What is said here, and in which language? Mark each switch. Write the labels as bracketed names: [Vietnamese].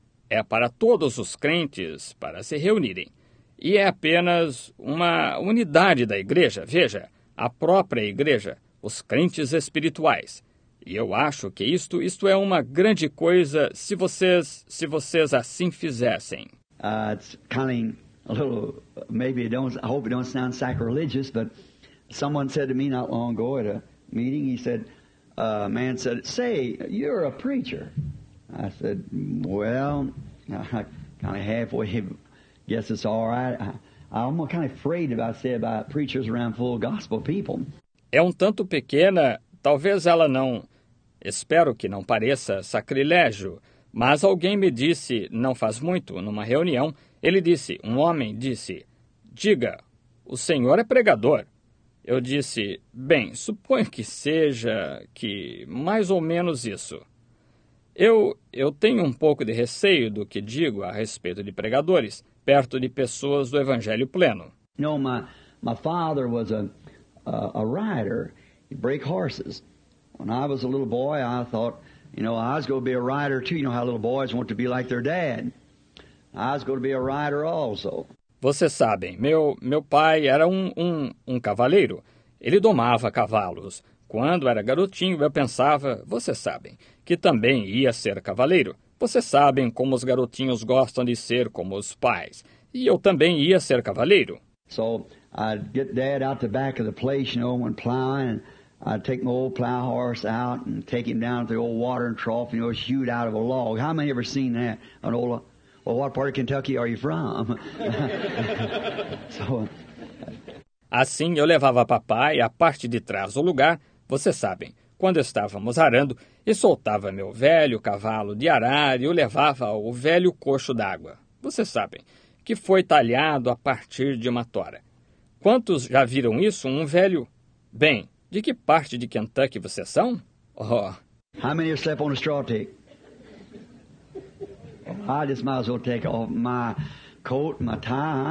[Portuguese] É para todos os crentes para se reunirem. E é apenas uma unidade da igreja, veja, a própria igreja, os crentes espirituais. E eu acho que isto é uma grande coisa se vocês assim fizessem. [English] It's kind of a little, maybe I hope it don't sound sacrilegious, but someone said to me not long ago at a meeting, he said, a man said, say, you're a preacher. I said, well, I kind of halfway guess it's all right. I'm kind of afraid of what I say about preachers around full gospel people. [Portuguese] É um tanto pequena, talvez ela não, espero que não pareça sacrilégio, mas alguém me disse, não faz muito, numa reunião, ele disse, um homem disse, diga, o senhor é pregador. Eu disse, bem, suponho que seja que mais ou menos isso. Eu tenho um pouco de receio do que digo a respeito de pregadores, perto de pessoas do Evangelho Pleno. [English] No, my father was a rider. He'd break horses. When I was a little boy, I thought, you know, I was going to be a rider too. You know how little boys want to be like their dad. I was going to be a rider also. [Portuguese] Vocês sabem, meu pai era um cavaleiro. Ele domava cavalos. Quando era garotinho, eu pensava, vocês sabem, que também ia ser cavaleiro. Vocês sabem como os garotinhos gostam de ser como os pais. E eu também ia ser cavaleiro. [English] So, I'd get dad out the back of the place, you know, when plowing, and I'd take my old plow horse out and take him down to the old watering trough, you know, shoot out of a log. How many ever seen that? An old, well, what part of Kentucky are you from? [Portuguese] So, assim, eu levava papai à parte de trás do lugar, vocês sabem, quando estávamos arando, e soltava meu velho cavalo de arar e o levava ao velho cocho d'água. Vocês sabem, que foi talhado a partir de uma tora. Quantos já viram isso? Um velho... Bem, de que parte de Kentucky vocês são? Oh. [English] How many have slept on a straw tick? I just might as well take off my coat, my tie.